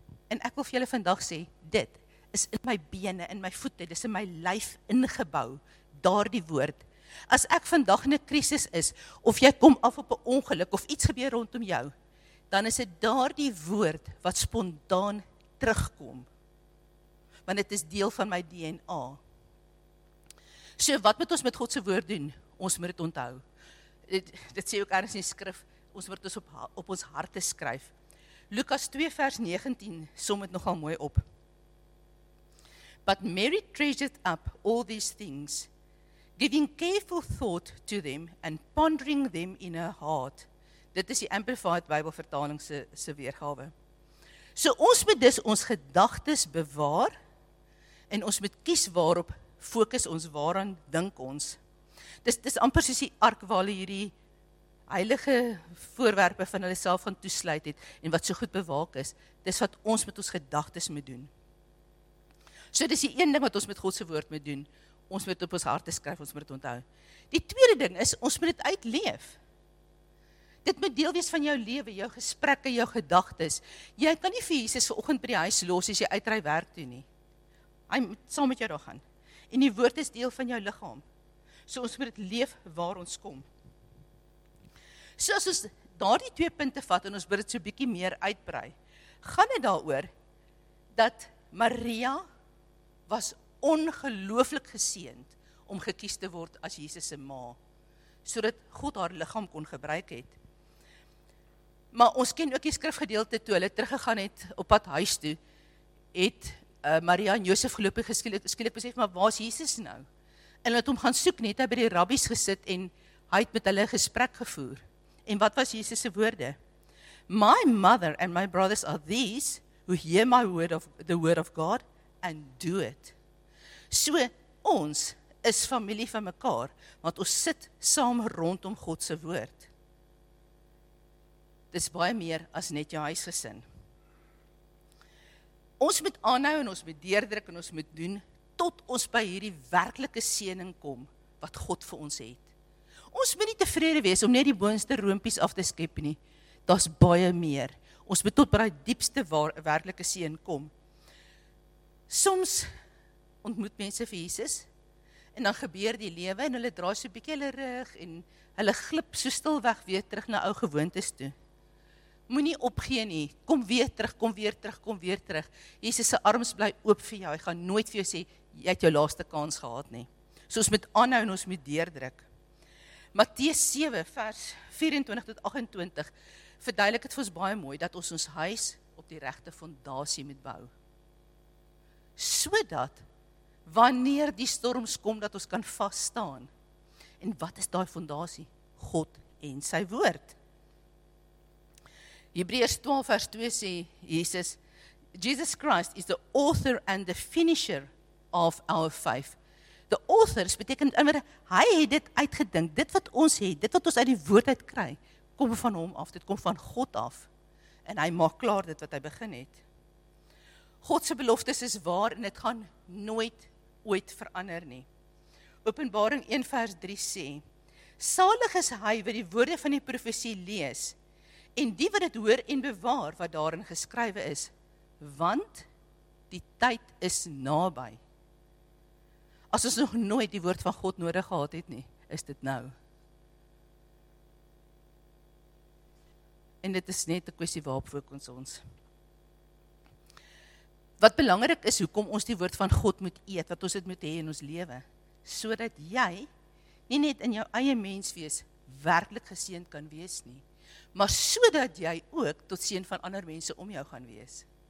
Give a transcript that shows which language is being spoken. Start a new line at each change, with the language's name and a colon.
Afrikaans: En ek wil vir julle vandag sê, dit is in my bene, in my voete, dis in my lyf ingebou, daardie woord. As ek vandag in 'n krisis is, of jy kom af op 'n ongeluk of iets gebeur rondom jou, dan is dit daardie woord wat spontaan terugkom. Want dit is deel van my DNA. So wat moet ons met God se woord doen? Ons moet dit onthou. Dit sê ook ergens in die skrif, ons moet dit op ons harte skryf. Lukas 2 vers 19 som dit nogal mooi op.
English: "But Mary treasured up all these things, giving careful thought to them and pondering them in her heart.
Afrikaans: Dit is die Amplified Bybelvertaling se weergawe. So ons moet dus ons gedagtes bewaar en ons moet kies waarop fokus ons, waaraan dink ons. Dis amper soos die ark waar hierdie heilige voorwerpe van hulle self gaan toesluit het en wat so goed bewaak is. Dis wat ons met ons gedagtes moet doen. So dis die een ding wat ons met God se woord moet doen. Ons moet op ons harte skryf, ons moet dit onthou. Die tweede ding is, ons moet dit uitleef. Dit moet deel wees van jou lewe, jou gesprekke, jou gedagtes. Jy kan nie vir Jesus vanoggend by die huis los as jy uitry werk toe nie. Hy moet saam met jou daar gaan. En die woord is deel van jou liggaam. So ons moet dit leef waar ons kom. So as ons daardie twee punte vat en ons moet dit so bietjie meer uitbrei, gaan dit daaroor dat Maria was ongelooflik geseend om gekies te word as Jesus se ma, sodat God haar liggaam kon gebruik het. Maar ons ken ook die skrifgedeelte toe hulle teruggegaan het op pad huis toe, het Maria en Josef geloop en skielik besef, maar waar is Jesus nou? En hulle het hom gaan soek, net hy by die rabbies gesit en hy het met hulle gesprek gevoer. En wat was Jesus se woorde?
English: My mother and my brothers are these who hear my word of the word of God and do it.
Afrikaans: So ons is familie van mekaar, want ons sit saam rondom God se woord. Dis baie meer as net jou huisgesin. Ons moet aanhou en ons moet deurdruk en ons moet doen tot ons by hierdie werklike seëning kom wat God vir ons het. Ons moet nie tevrede wees om net die boonste roompies af te skep nie. Daar's baie meer. Ons moet tot by die diepste werklike seën kom. Soms ontmoet mense vir Jesus en dan gebeur die lewe en hulle draai so 'n bietjie hulle rug en hulle glip so stil weg weer terug na ou gewoontes toe. Moenie opgee nie. Kom weer terug. Jesus se arms bly oop vir jou. Hy gaan nooit vir jou sê jy het jou laaste kans gehad nie. So ons moet aanhou en ons moet deurdruk. Matteus 7 vers 24 tot 28 verduidelik dit vir ons baie mooi dat ons ons huis op die regte fondasie moet bou. Sodat wanneer die storms kom dat ons kan vas staan. En wat is daai fondasie? God en sy woord. Hebreërs 12 vers 2 sê
English: Jesus, Jesus Christ is the author and the finisher of our faith.
Afrikaans: The author beteken anders, hy het dit uitgedink, dit wat ons het, dit wat ons uit die woord uit kry, kom van hom af, dit kom van God af. En hy maak klaar dit wat hy begin het. God se beloftes is waar en dit gaan nooit ooit verander nie. Openbaring 1 vers 3 sê, salig is hy wat die woorde van die profesie lees en die wat dit hoor en bewaar wat daarin geskrywe is, want die tyd is naby. As ons nog nooit die woord van God nodig gehad het nie, is dit nou. En dit is net 'n kwessie waarop fokus ons. Wat belangrik is, hoekom ons die woord van God moet eet, wat ons dit moet hê in ons lewe, sodat jy nie net in jou eie menswees werklik geseën kan wees nie, maar sodat jy ook tot seën van ander mense om jou gaan wees.